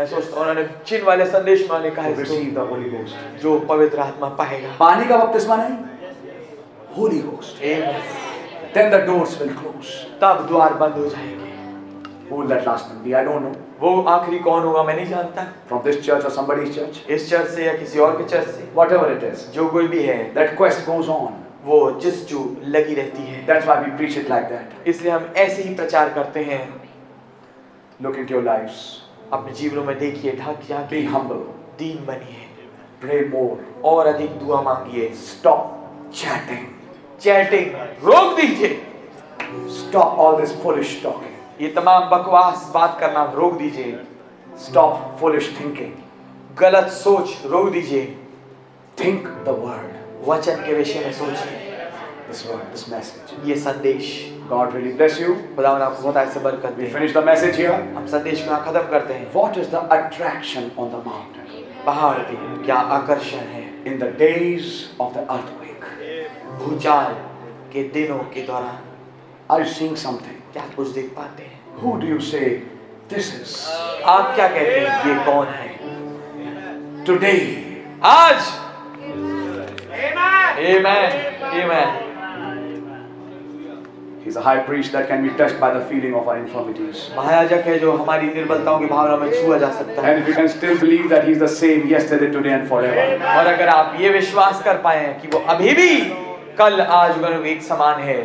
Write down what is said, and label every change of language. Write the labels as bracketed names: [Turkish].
[Hindi] ऐसा उसने उन्होंने चिन वाले संदेश में ने कहा, [English] receive the Holy Ghost, [Hindi] जो पवित्र आत्मा पाएगा, पानी का बपतिस्मा नहीं, Holy Ghost, [English] Amen. Then the doors will close, [Hindi] तब द्वार बंद हो जाएंगे। [English] Who will that last man be? I don't know. [Hindi] वो आखिरी कौन होगा? मैं नहीं जानता। [English] From this church or somebody's church? [Hindi] इस चर्च से या किसी और के चर्च से? [English] Whatever it is, [Hindi] जो कोई भी है, [English] that quest goes on. [Hindi] वो जिस जो लगी रहती है। [English] That's why we preach it like that. [Hindi] इसलिए हम ऐसे ही प्रचार करते हैं। [English] Look into your lives. [Hindi] अपने जीवनों में देखिए, ढक जाके, [English] be humble. [Hindi] दीन बनिए. [English] Pray more. [Hindi] और अधिक दुआ मांगिए. [English] Stop chatting. [Hindi] Chatting. रोक दीजिए. [English] Stop all this foolish talking. [Hindi] ये तमाम बकवास बात करना रोक दीजिए. [English] Stop foolish thinking. [Hindi] गलत सोच रोक दीजिए. [English] Think the word. [Hindi] वचन के विषय में सोचिए. [English] This word, this message. [Hindi] ये संदेश. [English] God really bless you. [Hindi] खुदावन आपको बहुत ऐसे बरकत [English] दे. We finish the message here. [Hindi] हम संदेश को खत्म करते हैं. [English] What is the attraction on the mountain? [Hindi] पहाड़ पे क्या आकर्षण है? [English] In the days of the earthquake. [Hindi] भूचाल के दिनों के दौरान. [English] Are you seeing something? [Hindi] क्या कुछ देख पाते हैं? [English] Who do you say this is? [Hindi] आप क्या कहते हैं ये कौन है? [English] Today. [Hindi] आज. [English] Amen. Amen. Amen. He's a high priest that can be touched by the feeling of our infirmities. [Hindi] महायाजक है जो हमारी निर्बलताओं की भावना में छुआ जा सकता है. [English] And if you can still believe that he's the same yesterday, today, and forever. [Hindi] और अगर आप ये विश्वास कर पाए हैं कि वो अभी भी कल, आज, कल एक समान है.